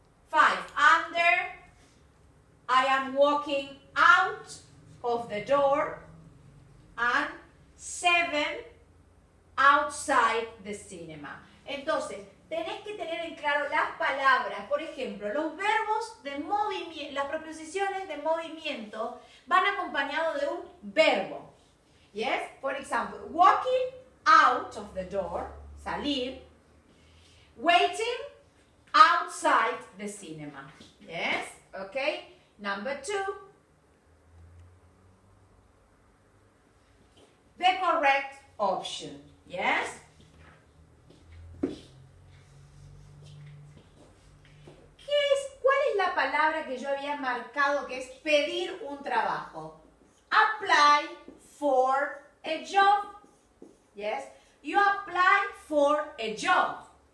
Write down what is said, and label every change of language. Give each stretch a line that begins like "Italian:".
English: Five, under, I am walking out of the door, and seven, outside the cinema.
Spanish: Entonces, tenés que tener en claro las palabras, por ejemplo, los verbos de movimiento, las preposiciones de movimiento van acompañados de un verbo.
English: Yes, for example, walking out of the door, salir, waiting outside the cinema. Yes, okay, number two. The correct option, yes.
Spanish: ¿Qué es, cuál es la palabra que yo había marcado que es pedir un trabajo?
English: Apply. For a job, yes, you apply for a job.